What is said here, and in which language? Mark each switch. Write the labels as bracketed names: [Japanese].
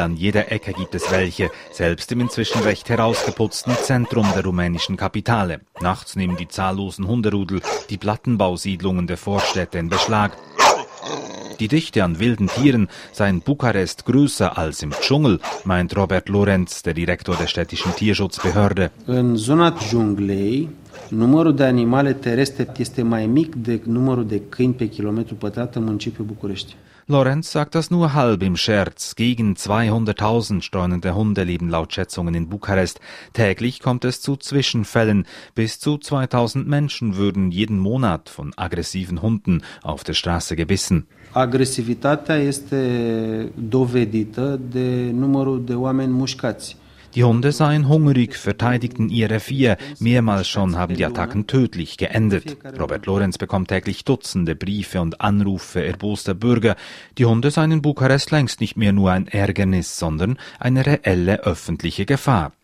[German] An jeder Ecke gibt es welche, selbst im inzwischen recht herausgeputzten Zentrum der rumänischen Kapitale. Nachts nehmen die zahllosen Hunderudel die Plattenbausiedlungen der Vorstädte in Beschlag. Die Dichte an wilden Tieren sei in Bukarest größer als im Dschungel, meint Robert Lorenz, der Direktor der städtischen Tierschutzbehörde. [Romanian] In zona dschunglei, numărul de animale terestre este mai mic decât numărul de câini pe kilometru pătrat în municipiul București. [German] Lorenz sagt das nur halb im Scherz. Gegen 200.000 streunende Hunde leben laut Schätzungen in Bukarest. Täglich kommt es zu Zwischenfällen. Bis zu 2.000 Menschen würden jeden Monat von aggressiven Hunden auf der Straße gebissen. [Romanian] Aggressivitatea este dovedită de numărul de oameni mușcați. [German] Die Hunde seien hungrig, verteidigten ihr Revier. Mehrmals schon haben die Attacken tödlich geendet. Robert Lorenz bekommt täglich Dutzende Briefe und Anrufe erboster Bürger. Die Hunde seien in Bukarest längst nicht mehr nur ein Ärgernis, sondern eine reelle öffentliche Gefahr.